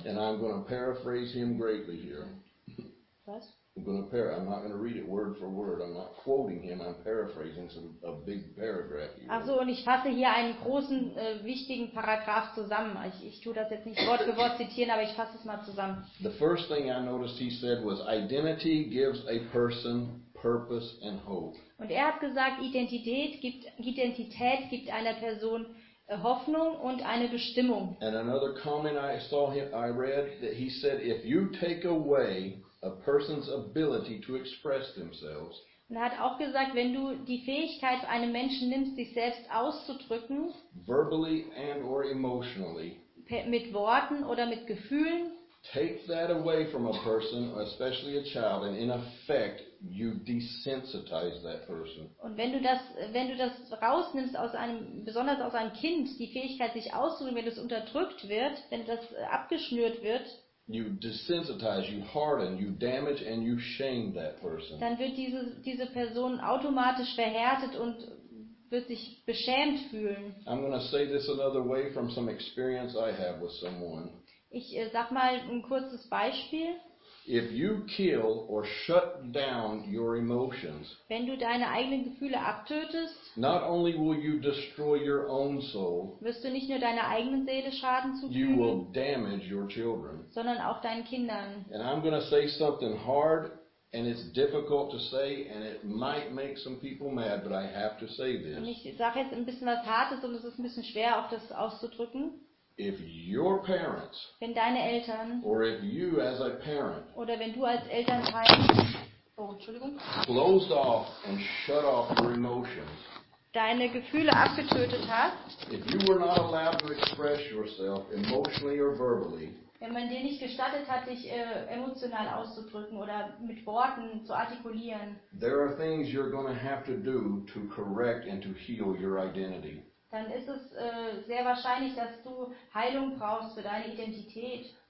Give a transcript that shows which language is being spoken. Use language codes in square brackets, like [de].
[en] And I'm going to paraphrase him greatly here. [de] Was? [en] I'm not going to read it word for word. I'm not quoting him. I'm paraphrasing a big paragraph here. [de] Ach so, und ich fasse hier einen großen, wichtigen Paragraph zusammen. Ich tue das jetzt nicht Wort für Wort zitieren, aber ich fasse es mal zusammen. [en] The first thing I noticed he said was, identity gives a person purpose and hope. [de] Und er hat gesagt, Identität gibt einer Person Hoffnung und eine Bestimmung. [en] And another comment I read, that he said, if you take away a person's ability to express themselves. [de] Und er hat auch gesagt, wenn du die Fähigkeit einem Menschen nimmst, sich selbst auszudrücken, [en] verbally and or emotionally, [de] mit Worten oder mit Gefühlen, [en] take that away from a person, especially a child, and in effect you desensitize that person. [de] Und wenn du das rausnimmst besonders aus einem Kind, die Fähigkeit sich auszudrücken, wenn das unterdrückt wird, wenn das abgeschnürt wird, [en] you desensitize, you harden, you damage and you shame that person. [de] Dann wird diese Person automatisch verhärtet und wird sich beschämt fühlen. [en] I'm going to say this another way from some experience I have with someone. [de] Ich sag mal ein kurzes Beispiel. [en] If you kill or shut down your emotions, [de] wenn du deine eigenen Gefühle abtötest, [en] not only will you destroy your own soul, [de] wirst du nicht nur deiner eigenen Seele Schaden zufügen, [en] you will damage your children, [de] sondern auch deinen Kindern. [en] And I'm going to say something hard, and it's difficult to say, and it might make some people mad, but I have to say this. [de] Und ich sage jetzt ein bisschen was Hartes, und es ist ein bisschen schwer, auch das auszudrücken. [en] If your parents, [de] wenn deine Eltern, [en] or if you as a parent, [de] oder wenn du als Elternteil, [en] closed off and shut off your emotions, [de] deine Gefühle abgetötet hast, [en] if you were not allowed to express yourself emotionally or verbally, [de] wenn man dir nicht gestattet hat, dich emotional auszudrücken oder mit Worten zu artikulieren, [en] there are things you're going to have to do to correct and to heal your identity. [de] Dann ist es sehr wahrscheinlich, dass du Heilung brauchst für deine Identität.